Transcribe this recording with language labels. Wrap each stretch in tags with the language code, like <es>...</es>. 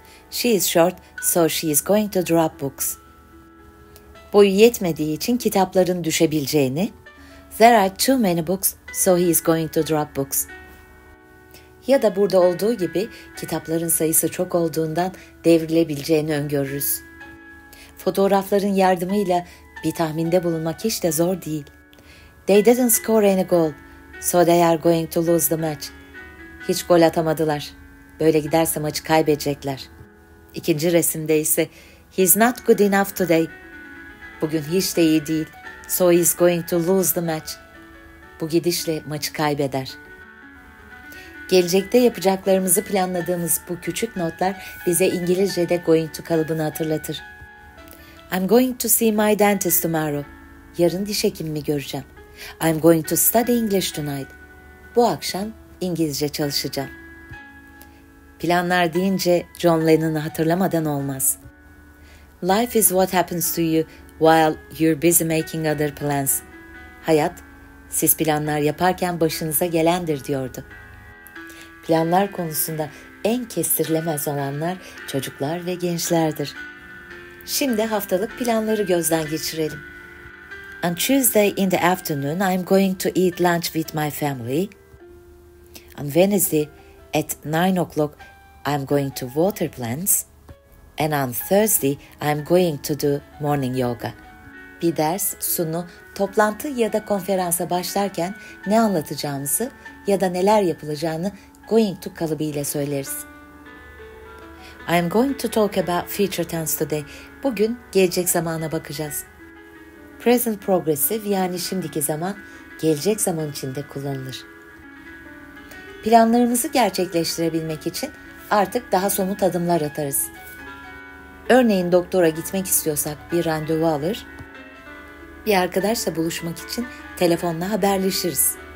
<en>She is short, so she is going to drop books.</en> <tr>Boyu yetmediği için kitapların düşebileceğini.</tr> <en>There are too many books, so he is going to drop books.</en> <tr>Ya da burada olduğu gibi kitapların sayısı çok olduğundan devrilebileceğini öngörürüz. Fotoğrafların yardımıyla bir tahminde bulunmak hiç de zor değil.</tr> <en>They didn't score any goal, so they are going to lose the match.</en> <tr>Hiç gol atamadılar. Böyle giderse maçı kaybedecekler. İkinci resimde ise</tr> <en>he's not good enough today,</en> <tr>bugün hiç de iyi değil.</tr> <en>So he's going to lose the match.</en> <tr>Bu gidişle maçı kaybeder. Gelecekte yapacaklarımızı planladığımız bu küçük notlar bize İngilizce'de going to kalıbını hatırlatır.</tr> <en>I'm going to see my dentist tomorrow.</en> <tr>Yarın diş hekimimi göreceğim.</tr> <en>I'm going to study English tonight.</en> <tr>Bu akşam İngilizce çalışacağım. Planlar deyince John Lennon'ı hatırlamadan olmaz.</tr> <en>Life is what happens to you while you're busy making other plans.</en> <tr>Hayat, siz planlar yaparken başınıza gelendir diyordu. Planlar konusunda en kestirilemez olanlar çocuklar ve gençlerdir. Şimdi haftalık planları gözden geçirelim.</tr> <en>On Tuesday in the afternoon, I'm going to eat lunch with my family. On Wednesday, at 9 o'clock, I'm going to water plants. And on Thursday, I'm going to do morning yoga.</en> <tr>Bir ders, sunu, toplantı ya da konferansa başlarken ne anlatacağımızı ya da neler yapılacağını going to kalıbıyla söyleriz.</tr> <en>I'm going to talk about future tense today.</en> <tr>Bugün gelecek zamana bakacağız. Present progressive yani şimdiki zaman gelecek zaman içinde kullanılır. Planlarımızı gerçekleştirebilmek için artık daha somut adımlar atarız. Örneğin doktora gitmek istiyorsak bir randevu alır, bir arkadaşla buluşmak için telefonla haberleşiriz.</tr>